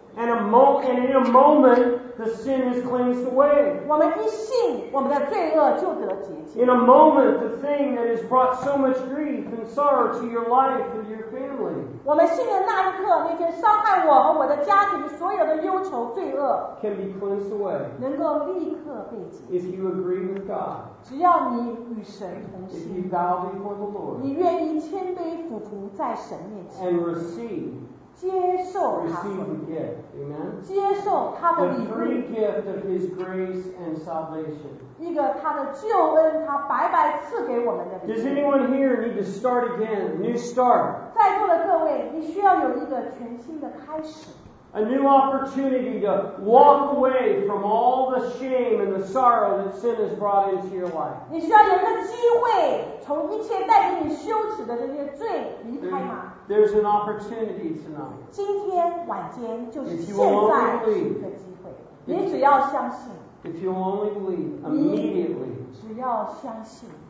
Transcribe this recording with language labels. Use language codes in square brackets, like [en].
[en] And in a moment, the sin is cleansed away. [zh] 我们一信，我们的罪恶就得洁净。 [en] In a moment, the thing that has brought so much grief and sorrow to your life and your family. [zh] 我们信的那一刻，那些伤害我和我的家庭所有的忧愁罪恶 [en] can be cleansed away. [zh] 能够立刻被洁净。 [en] If you agree with God. [zh] 只要你与神同心。 [en] If you bow before the Lord. [zh] 你愿意谦卑俯伏在神面前。 [en] And receive. [zh] 接受他 [en] receive the gift, amen? [zh] 接受他的礼物 [en] the free gift of his grace and salvation. [zh] 一个他的救恩他白白赐给我们的礼物 [en] Does anyone here need to start again, new start? [zh] 在座的各位你需要有一个全新的开始 [en] A new opportunity to walk away from all the shame and the sorrow that sin has brought into your life. [zh] 你需要有一个机会从一切带给你羞耻的这些罪离开吗 [en] There's an opportunity tonight. [zh] 今天晚间就是现在是一个机会。你只要相信。 [en] If you only believe, immediately. [zh] 只要相信。